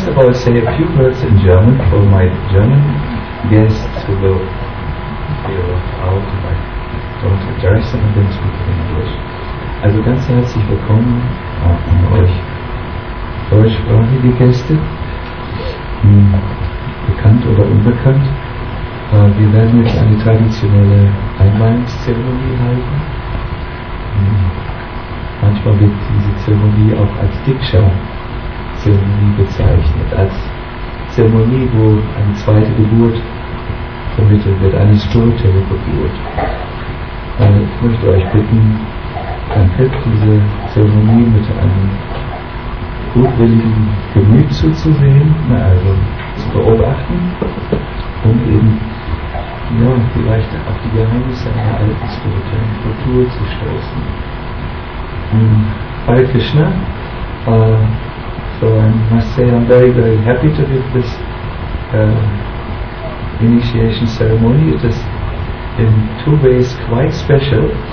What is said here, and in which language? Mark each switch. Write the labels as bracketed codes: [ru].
[en] Say a few words in German for my German guests who will feel out if I don't address them and then speak in English. [de] Also ganz herzlich willkommen an euch deutschsprachige Gäste, bekannt oder unbekannt. Wir werden jetzt eine traditionelle Einweihungszeremonie halten. Manchmal wird diese Zeremonie auch als Diksha-Zeremonie bezeichnet, als Zeremonie, wo eine zweite Geburt vermittelt wird, eine spirituelle Geburt. Ich möchte euch bitten, komplett diese Zeremonie mit einem gutwilligen Gemüt zuzusehen, also zu beobachten und eben ja, vielleicht auf die Geheimnisse einer alten spirituellen Kultur zu stoßen. [sa] Hare Krishna. [en] So I must say I'm very, very happy to give this initiation ceremony. It is in two ways quite special.